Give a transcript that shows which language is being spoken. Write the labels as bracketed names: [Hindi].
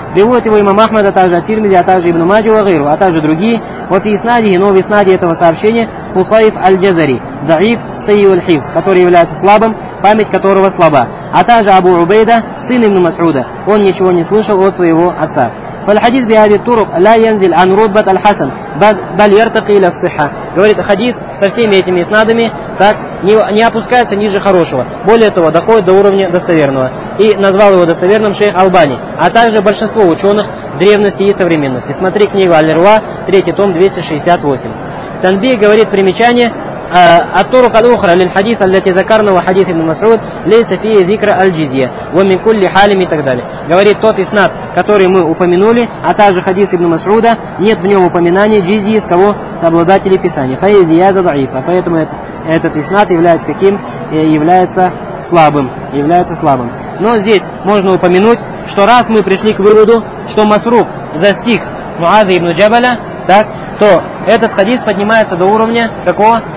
[Russian] Приводит его имам Ахмад, а также ат-Тирмизи, а также ибн Маджи ва гайру, а также другие. Вот и иснади, но в иснади этого сообщения Хусайф аль-Джазари, [Arabic] даиф сайю аль-Хифз, [Russian] который является слабым, память которого слаба. А также Абу Убейда, сын ибн Мас'уда, он ничего не слышал от своего отца. [Arabic] فالحديث بهذه الطرق لا ينزل عن رتبة الحسن بل يرتقي إلى الصحة. [Russian] Говорит, хадис со всеми этими иснадами так не опускается ниже хорошего. Более того, доходит до уровня достоверного. И назвал его достоверным шейх Албани, а также большинство ученых древности и современности. Смотри книгу Аль-Руа, 3 том, 268. Танби говорит примечание. [Arabic] الطرق الأخرى للحديث التي ذكرنا وحديث ابن مسعود ليس فيه ذكر الجزية ومن كل حال [Russian] и так далее. Говорит, тот иснад, который мы упомянули, а также хадис ибн Масуда, нет в нем упоминания джизии с кого? С обладателей писания. Хаизия задаифа. Поэтому этот иснад является каким? Является слабым. Но здесь можно упомянуть, что раз мы пришли к выводу, что Масрук застиг Муаза ибн Джабаля, так, то этот хадис поднимается до уровня какого?